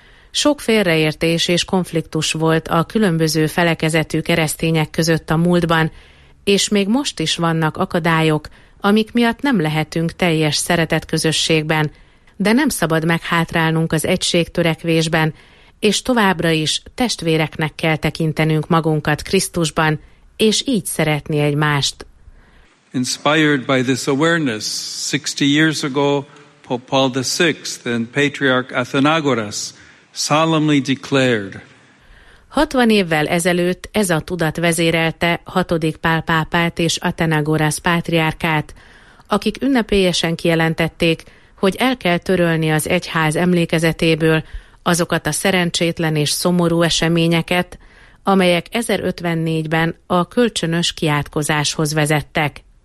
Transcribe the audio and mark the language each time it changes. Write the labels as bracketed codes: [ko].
[hu] Sok félreértés és konfliktus volt a különböző felekezetű keresztények között a múltban, és még most is vannak akadályok, amik miatt nem lehetünk teljes szeretet közösségben, de nem szabad meghátrálnunk az egység törekvésben, és továbbra is testvéreknek kell tekintenünk magunkat Krisztusban, és így szeretni egymást. [en] Inspired by this awareness, 60 years ago, Pope Paul VI and Patriarch Athenagoras solemnly declared. [hu] 60 évvel ezelőtt ez a tudat vezérelte 6. Pál pápát és Athenagorasz pátriárkát, akik ünnepélyesen kijelentették, hogy el kell törölni az egyház emlékezetéből azokat a szerencsétlen és szomorú eseményeket, amelyek 1054-ben a kölcsönös kiátkozáshoz vezettek.